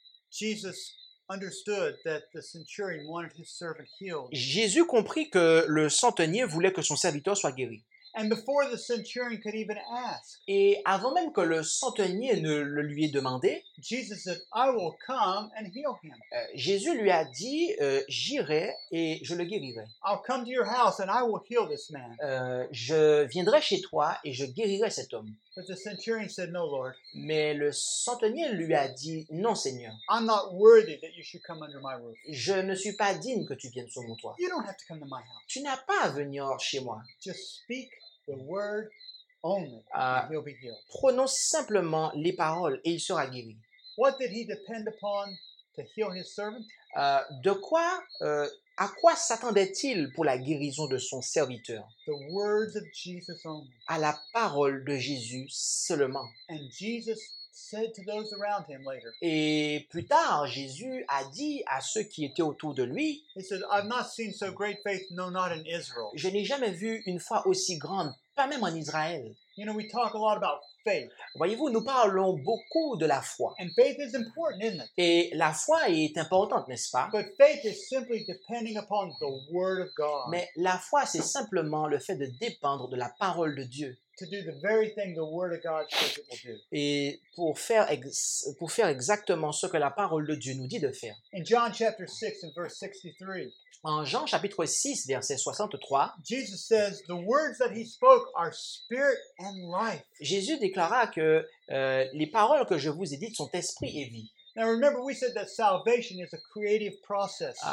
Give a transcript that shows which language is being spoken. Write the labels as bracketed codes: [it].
[en] Jesus understood that the centurion wanted his servant healed. [fr] Jésus comprit que le centenier voulait que son serviteur soit guéri. [en] And before the centurion could even ask. [fr] Et avant même que le centenier ne le lui ait demandé, [en] Jesus said, I will come and heal him. [fr] Jésus lui a dit, j'irai et je le guérirai. [en] I'll come to your house and I will heal this man. [fr] Je viendrai chez toi et je guérirai cet homme. [en] But the centurion said, no, Lord. [fr] Mais le centenier lui a dit, non, Seigneur. [en] I'm not worthy that you should come under my roof. [fr] Je ne suis pas digne que tu viennes sous mon toit. [en] You don't have to come to my house. [fr] Tu n'as pas à venir chez moi. [en] Just speak the word only and he'll be healed. [fr] Prononce simplement les paroles et il sera guéri. [en] What did he depend upon to heal his servant? [fr] À quoi s'attendait-il pour la guérison de son serviteur? [en] The words of Jesus only. [fr] À la parole de Jésus seulement. [en] And Jesus said to those around him later. [fr] Et plus tard, Jésus a dit à ceux qui étaient autour de lui, [en] he said, I've not seen so great faith, no, not in Israel. [fr] Je n'ai jamais vu une foi aussi grande, pas même en Israël. [en] You know, we talk a lot about faith. [fr] Voyez-vous, nous parlons beaucoup de la foi. [en] And faith is important, isn't it? [fr] Et la foi est importante, n'est-ce pas? [en] But faith is simply depending upon the word of God. [fr] Mais la foi, c'est simplement le fait de dépendre de la parole de Dieu. [en] To do the very thing the word of God says it will do. [fr] Et pour faire exactement ce que la parole de Dieu nous dit de faire. [en] In John chapter 6 and verse 63. [fr] En Jean chapitre 6 verset 63. [en] Jesus says the words that he spoke are spirit and life. [fr] Jésus déclara que les paroles que je vous ai dites sont esprit et vie. [en] Now remember we said that salvation is a creative process.